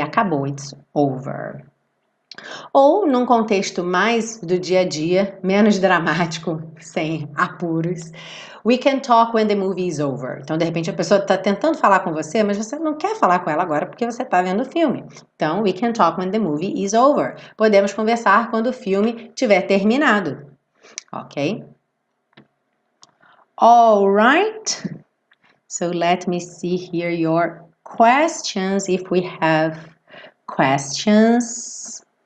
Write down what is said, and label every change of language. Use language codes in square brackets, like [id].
[pt] Acabou, [en] it's over. [pt] Ou num contexto mais do dia a dia, menos dramático, sem apuros, [en] we can talk when the movie is over. [pt] Então, de repente, a pessoa está tentando falar com você, mas você não quer falar com ela agora porque você está vendo o filme. [en] Então, we can talk when the movie is over. [pt] Podemos conversar quando o filme tiver terminado. [en] Ok? All right. So, let me see here your questions, if we have questions.